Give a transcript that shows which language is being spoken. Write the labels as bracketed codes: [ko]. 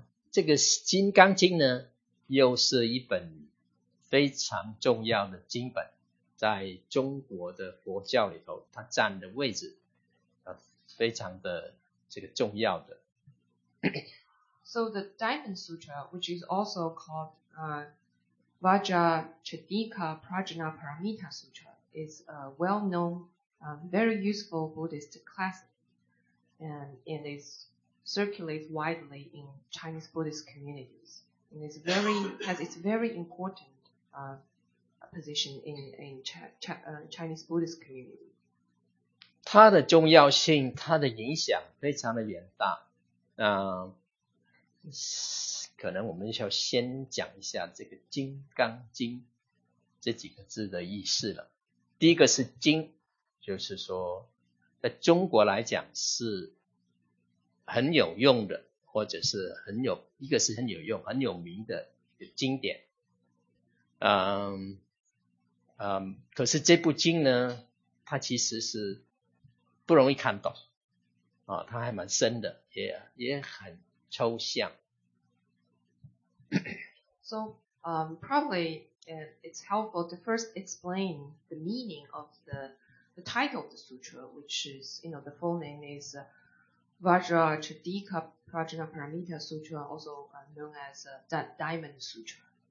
[zh] 这个金刚经呢又是一本非常重要的经本，在中国的佛教里头它占的位置、非常的这个重要的。 [en] So the Diamond Sutra, which is also called Vajracchedika Prajnaparamita Sutra, is a well-known, very useful Buddhist classic and it circulates widely in Chinese Buddhist communities and it's very has its very important position in Chinese Buddhist community. [zh] 它的重要性它的影响非常的远大可能我们要先讲一下这个金刚经这几个字的意思了第一个是金就是说在中国来讲是很有用的或者是很有一个是很有用很有名的经典。可是这部经呢，它其实是不容易看懂，啊，它还蛮深的，也很抽象。 [en] So, probably it's helpful to first explain the meaning of the title of the sutra, which is, you know, the full name is Vajracchedika Prajnaparamita Sutra, also known as Diamond Sutra.